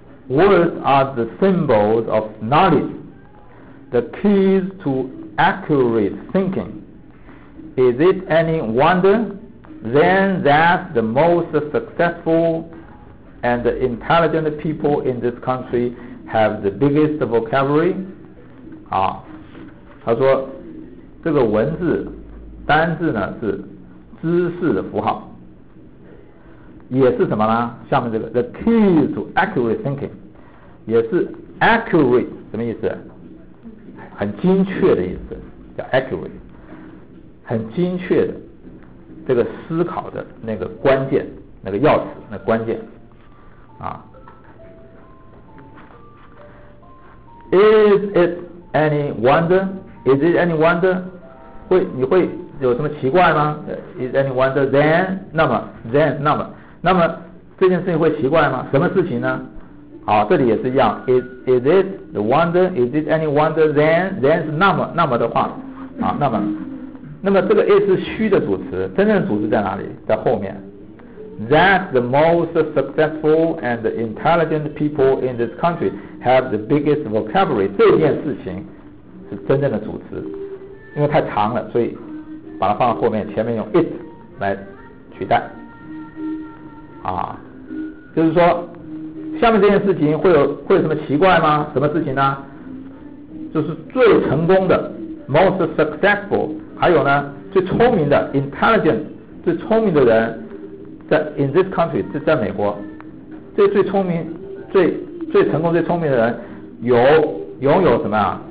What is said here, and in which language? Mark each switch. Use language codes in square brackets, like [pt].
[en] Words are the symbols of knowledge. The keys to accurate thinking. Is it any wonder then that the most successful and intelligent people in this country have the biggest vocabulary? [zh] 啊，他说这个文字单字呢是知识的符号，也是什么呢？下面这个 [en] the keys to accurate thinking。 [zh] 也是 accurate 什么意思？很精确的意思，叫 accurate， 很精确的这个思考的那个关键，那个钥匙，那个、关键啊。 [en] Is it any wonder? Is it any wonder? [zh] 会你会有什么奇怪吗 ？ [en] Is any wonder? [zh] Then 那么这件事情会奇怪吗？什么事情呢？好，这里也是一样。 [en] Is it the wonder? Is it any wonder? [zh] Then 是那么的话，啊，那么这个 is 是虚的主词，真正的主词在哪里？在后面。 [en] That the most successful and intelligent people in this country have the biggest vocabulary. [zh] 这件事情是真正的主词，因为太长了，所以把它放到后面，前面用 it 来取代。啊，就是说。下面这件事情会有什么奇怪吗？什么事情呢？就是最成功的 [en] most successful， [zh] 还有呢最聪明的 intelligent， 最聪明的人在 [en] in this country， [zh] 在美国，这最聪明、最成功、最聪明的人拥有什么啊？